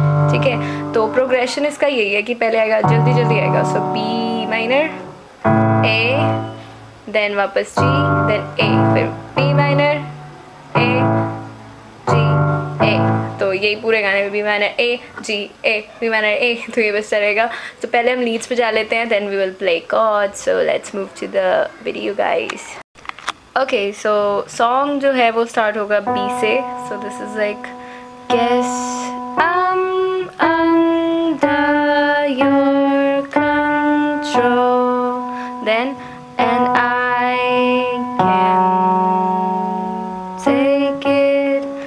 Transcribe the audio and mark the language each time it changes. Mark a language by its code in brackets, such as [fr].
[hi] ठीक है, तो progression इसका यही है कि पहले आएगा, जल्दी जल्दी आएगा. [en] So B minor, A, then वापस G, then A, फिर B minor, A, G, A. [hi] तो यही पूरे गाने में B minor, A, G, A, B minor, A. तो ये बस चलेगा. तो पहले हम leads पे जा लेते हैं, [en] then we will play chords. So let's move to the video, guys. Okay, so song [hi] जो है वो start होगा B से. [en] So this is like, guess I'm under your control. Then and I can take it.